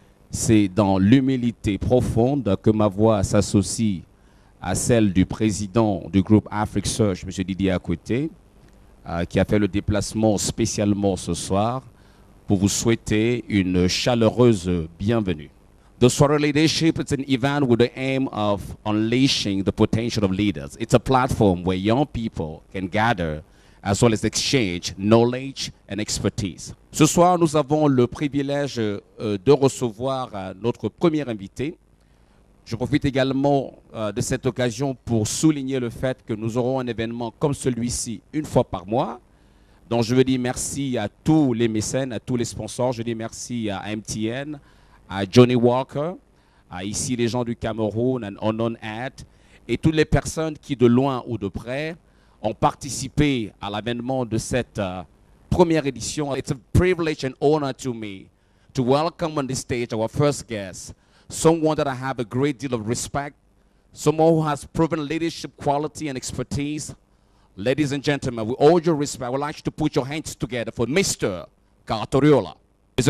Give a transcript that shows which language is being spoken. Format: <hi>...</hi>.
<fr>C'est dans l'humilité profonde que ma voix s'associe à celle du président du groupe Africa Search, M. Didier Akwete, qui a fait le déplacement spécialement ce soir pour vous souhaiter une chaleureuse bienvenue.</fr> <en>The Swara Leadership is an event with the aim of unleashing the potential of leaders. It's a platform where young people can gather as well as exchange knowledge and expertise.</en> <fr>Ce soir, nous avons le privilège de recevoir notre premier invité. Je profite également de cette occasion pour souligner le fait que nous aurons un événement comme celui-ci une fois par mois. Donc je veux dire merci à tous les mécènes, à tous les sponsors. Je dis merci à MTN, à Johnny Walker, à ici les gens du Cameroun, à Unknown Ad, et toutes les personnes qui, de loin ou de près, ont participé à l'avènement de cette première édition.</fr> <en>It's a privilege and honor to me to welcome on this stage our first guest, someone that I have a great deal of respect, someone who has proven leadership quality and expertise. Ladies and gentlemen, with all your respect, I would like you to put your hands together for Mr. Cartoriola. Mr.</en>